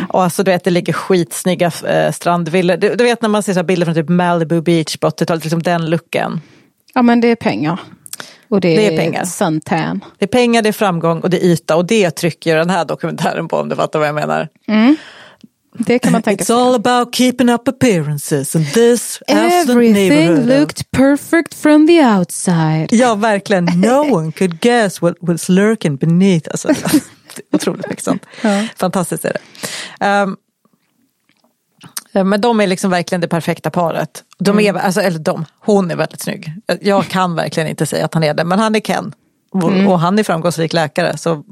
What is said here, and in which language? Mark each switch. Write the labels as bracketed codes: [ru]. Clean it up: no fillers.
[sv] Och alltså, du vet, det ligger skitsnygga strandvillor. Du vet när man ser så här bilder från typ Malibu Beach på 80-talet, liksom den looken. Ja, men det är pengar. Och det är suntan. Det är pengar, det är framgång och det är yta. Och det trycker den här dokumentären på, om du fattar vad jag menar. Mm. Det kan man tänka [en] It's all about keeping up appearances and this Everything neighborhood. Looked perfect from the outside. [sv] Ja, verkligen. [en] No one could guess what was lurking beneath. [sv] Alltså, otroligt mycket sånt. Ja. Fantastiskt är det. Men de är liksom verkligen det perfekta paret. De är, alltså, eller de, hon är väldigt snygg. Jag kan verkligen inte säga att han är det, men han är Ken. Och han är framgångsrik läkare. Så